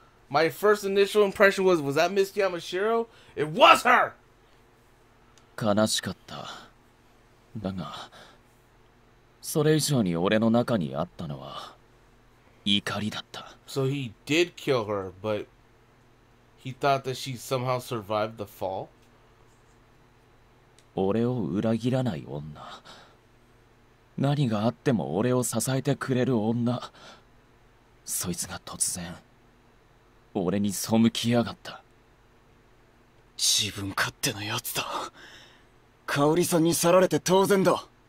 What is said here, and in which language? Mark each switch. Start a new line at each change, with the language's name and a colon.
English: My first initial impression was that Miss Yamashiro? It was her!
Japanese: 悲しかった。だが、それ以上に俺の中にあったのは、怒りだった。
English: So he did kill her, but... He thought that she somehow survived the fall.
Japanese: 俺を裏切らない女。何があっても俺を支えてくれる女。そいつが突然、俺に背きやがった。自分勝手なやつだ。香織さんに去られて当然だ。